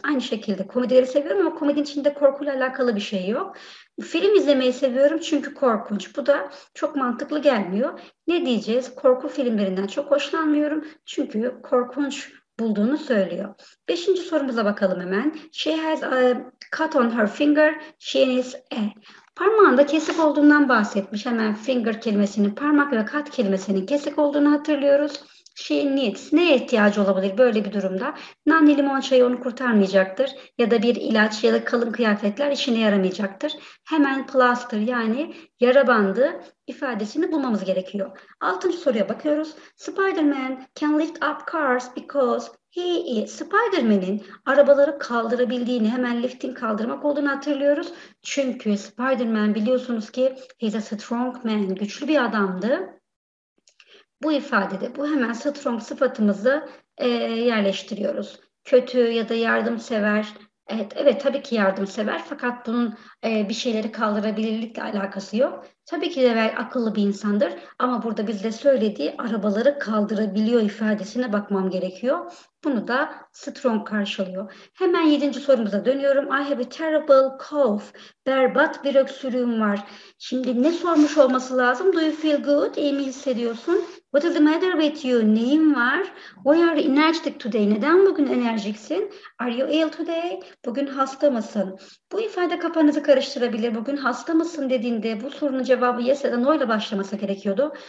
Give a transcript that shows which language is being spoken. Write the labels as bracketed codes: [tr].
[tr] Aynı şekilde komedileri seviyorum ama komedinin içinde korkuyla alakalı bir şey yok. Film izlemeyi seviyorum çünkü korkunç. Bu da çok mantıklı gelmiyor. Ne diyeceğiz? Korku filmlerinden çok hoşlanmıyorum çünkü korkunç bulduğunu söylüyor. Beşinci sorumuza bakalım hemen. [en] She has a cut on her finger. She is a... [tr] Parmağında kesik olduğundan bahsetmiş. Hemen finger kelimesinin, parmak ve kat kelimesinin kesik olduğunu hatırlıyoruz. [en] She needs. [tr] Ne ihtiyacı olabilir böyle bir durumda? Nane limon çayı onu kurtarmayacaktır. Ya da bir ilaç ya da kalın kıyafetler işine yaramayacaktır. Hemen plaster yani yara bandı ifadesini bulmamız gerekiyor. Altıncı soruya bakıyoruz. [en] Spider-Man can lift up cars because he is. [tr] Spider-Man'in arabaları kaldırabildiğini, hemen lifting kaldırmak olduğunu hatırlıyoruz. Çünkü Spider-Man biliyorsunuz ki [en] he's a strong man, [tr] güçlü bir adamdı. Bu ifadede bu hemen strong sıfatımızı yerleştiriyoruz. Kötü ya da yardımsever. Evet tabii ki yardımsever fakat bunun bir şeyleri kaldırabilirlikle alakası yok. Tabii ki de akıllı bir insandır ama burada bizde söylediği arabaları kaldırabiliyor ifadesine bakmam gerekiyor. Bunu da strong karşılıyor. Hemen yedinci sorumuza dönüyorum. [en] I have a terrible cough. [tr] Berbat bir öksürüğüm var. Şimdi ne sormuş olması lazım? [en] Do you feel good? [tr] İyi mi hissediyorsun? [en] What is the matter with you? [tr] Neyin var? [en] Why are you energetic today? [tr] Neden bugün enerjiksin? [en] Are you ill today? [tr] Bugün hasta mısın? Bu ifade kafanızı karıştırabilir. Bugün hasta mısın dediğinde bu sorunun cevabı yes ya da no ile başlaması gerekiyordu.